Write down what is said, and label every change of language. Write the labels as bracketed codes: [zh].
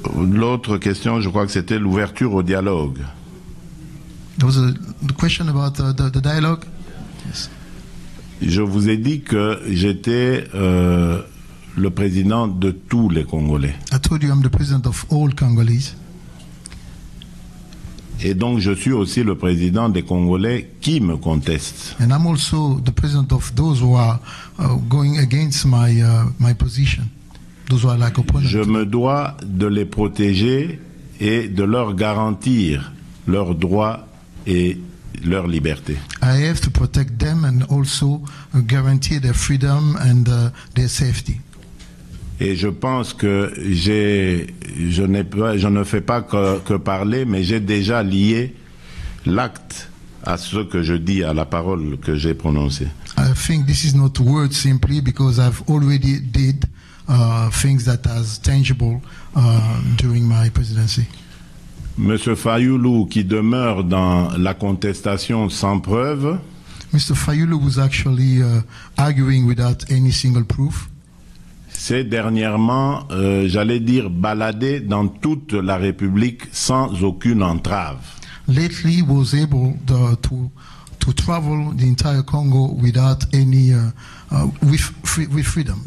[fr] L'autre question, je crois que c'était l'ouverture au dialogue. [en] There was a question about the dialogue. Yes. [fr] Je vous ai dit que j'étais le président de tous les Congolais. [en] I told you I'm the president of all Congolese. [fr] Et donc je suis aussi le président des Congolais qui me contestent. [en] And I'm also the president of those who are going against my position. Those who are like opponents. [fr] Je me dois de les protéger et de leur garantir leurs droits et leur liberté. [en] I have to protect them and also guarantee their freedom and their safety. [fr] Et je pense que je ne fais pas que parler, mais j'ai déjà lié l'acte à ce que je dis, à la parole que j'ai prononcée. [en] I think this is not words simply because I've already did things that as tangible during my presidency. [fr] Monsieur Fayulu, qui demeure dans la contestation sans preuve. [en] Mr. Fayulu was actually arguing without any single proof. [fr] C'est dernièrement, j'allais dire, baladé dans toute la République sans aucune entrave. [en] Lately was able to to travel the entire Congo without any with freedom.